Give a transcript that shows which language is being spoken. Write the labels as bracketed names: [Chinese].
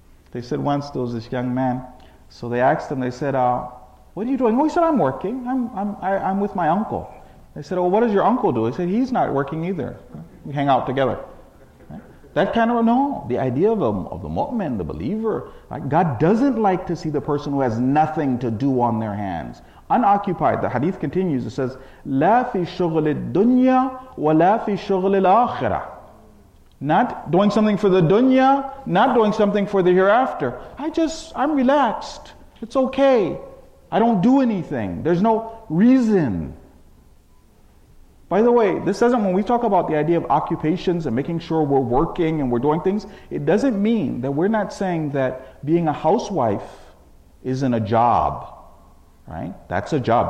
[English] They said once, there was this young man. So they asked him, they said, what are you doing? Oh, he said, I'm working. I'm with my uncle. They said, well, what does your uncle do? He said, he's not working either. We hang out together. That kind of, no, the idea of the mu'min, the believer, like God doesn't like to see the person who has nothing to do on their hands. Unoccupied, the hadith continues, it says, [Arabic] لَا فِي شُغْلِ الدُّنْيَا وَلَا فِي شُغْلِ الْآخِرَةِ. [English] Not doing something for the dunya, not doing something for the hereafter. I'm relaxed. It's okay. I don't do anything. There's no reason. By the way, this doesn't, when we talk about the idea of occupations and making sure we're working and we're doing things, it doesn't mean that we're not saying that being a housewife isn't a job, right? That's a job.